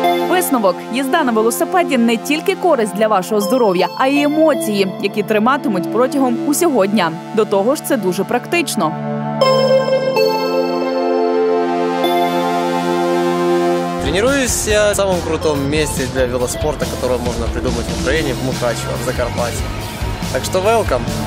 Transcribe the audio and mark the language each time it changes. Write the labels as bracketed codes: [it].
[uk] Висновок. Їзда на велосипеді не тільки користь для вашого здоров'я, а й емоції, які триматимуть протягом усього дня. До того ж, це дуже практично. [ru] Тренируюсь я в самом крутом месте для велоспорта, которое можно придумать в Украине, в Мукачево, в Закарпатье. Так что welcome!